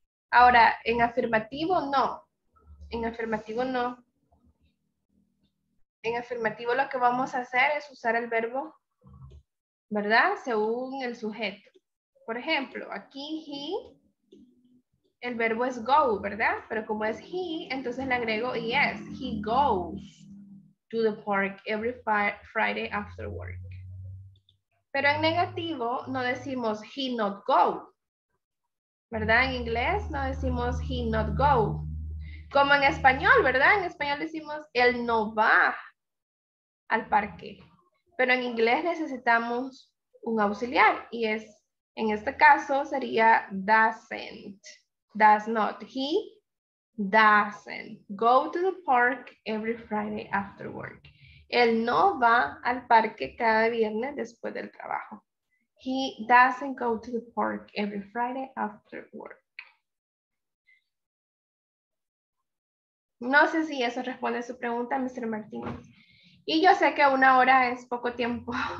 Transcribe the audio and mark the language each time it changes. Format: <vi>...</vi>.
<es>Ahora, en afirmativo no. En afirmativo no. En afirmativo lo que vamos a hacer es usar el verbo, ¿verdad? Según el sujeto. Por ejemplo, aquí he, el verbo es go, ¿verdad? Pero como es he, entonces le agrego yes.</es> <en>He goes to the park every Friday after work.</en> <es>Pero en negativo no decimos</es> <en>he not go,</en> <es>¿verdad? En inglés no decimos</es> <en>he not go.</en> <es>Como en español, ¿verdad? En español decimos él no va al parque. Pero en inglés necesitamos un auxiliar y es, en este caso sería doesn't, does not.</es> <en>He doesn't go to the park every Friday after work.</en> <es>Él no va al parque cada viernes después del trabajo.</es> <en>He doesn't go to the park every Friday after work.</en> <es>No sé si eso responde a su pregunta, Mr. Martínez. Y yo sé que una hora es poco tiempo.</es>